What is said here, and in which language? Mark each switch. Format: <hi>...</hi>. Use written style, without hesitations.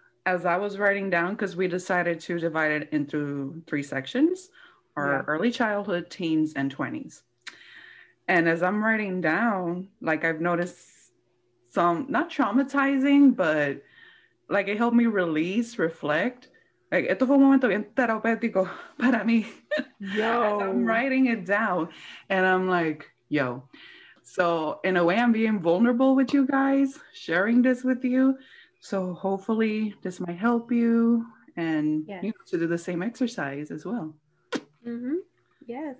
<en>As I was writing down, because we decided to divide it into three sections, early childhood, teens, and 20s. And as I'm writing down, like I've noticed some, not traumatizing, but like it helped me release, reflect.</en> <es>Like, esto fue un momento bien terapéutico para mí. Yo.</es> <en>As I'm writing it down, and I'm like, yo. So in a way, I'm being vulnerable with you guys, sharing this with you. So hopefully this might help you and you to do the same exercise as well. Mm-hmm. Yes.</en>